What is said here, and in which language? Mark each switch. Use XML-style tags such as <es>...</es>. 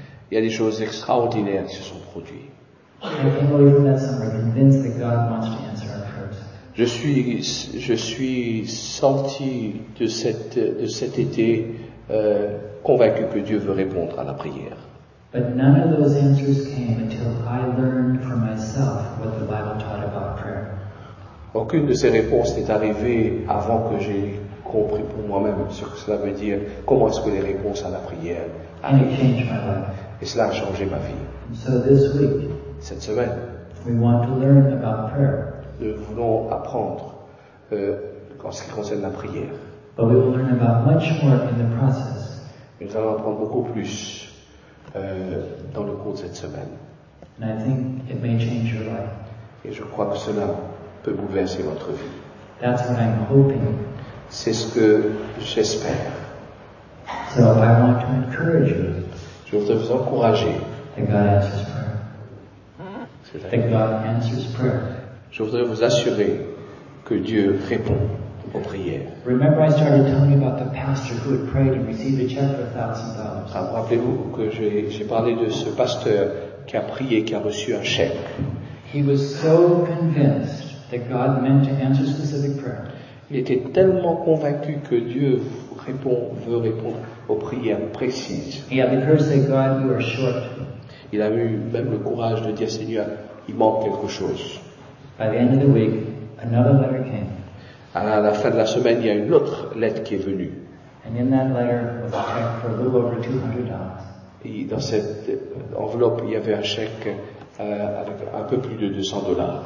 <fr>Il y a des choses extraordinaires qui se sont produites. Je suis sorti de cet été convaincu que Dieu veut répondre à la prière.</fr> <en>But none of those answers came until I learned for myself what the Bible taught about prayer.</en> <fr>Aucune de ces réponses n'est arrivée avant que j'ai compris pour moi-même ce que cela veut dire, comment est-ce que les réponses à la prière arrivent.</fr> <en>And it changed my life.</en> <fr>Et cela a changé ma vie.</fr> <en>So this week,</en> <fr>cette semaine,</fr> <en>we want to learn about prayer.</en> <fr>Nous voulons apprendre en ce qui concerne la prière.</fr> <en>But we will learn about much more in the process.</en> <fr>Nous allons apprendre beaucoup plus dans le cours de cette semaine.</fr> <en>And I think it may change your life.</en> <fr>Et je crois que cela peut bouleverser votre vie.</fr> <en>That's what I'm hoping.</en> <fr>C'est ce que j'espère.</fr> <en>So I want to encourage you.</en> <fr>Je voudrais vous encourager.</fr> <en>That God answers prayer. That God answers prayer.</en> <fr>Je voudrais vous assurer que Dieu répond aux prières.</fr> <en>Remember, I started telling you about the pastor who had prayed and received a check for $1,000.</en> <fr>Rappelez-vous que j'ai parlé de ce pasteur qui a prié, qui a reçu un chèque.</fr> <en>He was so convinced that God meant to answer specific prayer.</en> <fr>Il était tellement convaincu que Dieu veut répondre aux prières précises.</fr> <en>He had the courage to say, God, you are short.</en> <fr>Il a eu même le courage de dire, Seigneur, il manque quelque chose.</fr> <en>By the end of the week, another letter came.</en> <fr>À la fin de la semaine, il y a une autre lettre qui est venue.</fr> <en>And in that letter was a check for a little over $200.</en> <fr>Et dans cette enveloppe, il y avait un chèque avec un peu plus de $200.</fr>